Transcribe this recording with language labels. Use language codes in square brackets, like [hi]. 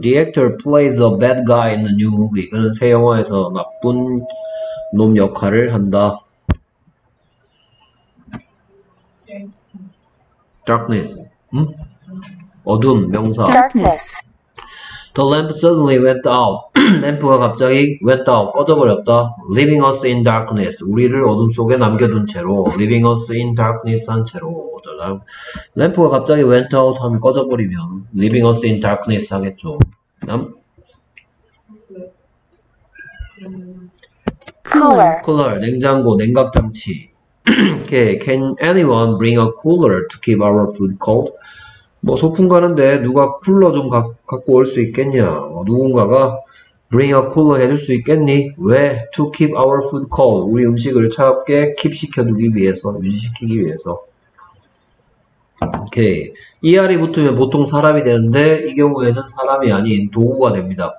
[en] The actor plays a bad guy in the new movie. [ko] 그는 새 영화에서 나쁜 놈 역할을 한다. Darkness. 음? 어둠, 명사. [en] Darkness. The lamp suddenly went out. [ko] 램프가 갑자기 [en] went out, [ko] 꺼져버렸다. [en] Leaving us in darkness. [ko] 우리를 어둠 속에 남겨둔 채로. [en] Leaving us in darkness [ko] 한 채로. 램프가 갑자기 [en] went out [ko] 하면 꺼져버리면 Leaving us in darkness 하겠죠. 다음. [en] Cooler. [ko] Cooler. 냉장고, 냉각장치. Okay. [en] Can anyone bring a cooler to keep our food cold? [ko] 뭐 소풍 가는데 누가 쿨러 좀 갖고 올 수 있겠냐? 누군가가 [en] bring a cooler [ko] 해줄 수 있겠니? 왜? [en] To keep our food cold. [ko] 우리 음식을 차갑게 keep 시켜두기 위해서, 유지시키기 위해서. 오케이. ER이 붙으면 보통 사람이 되는데 이 경우에는 사람이 아닌 도구가 됩니다.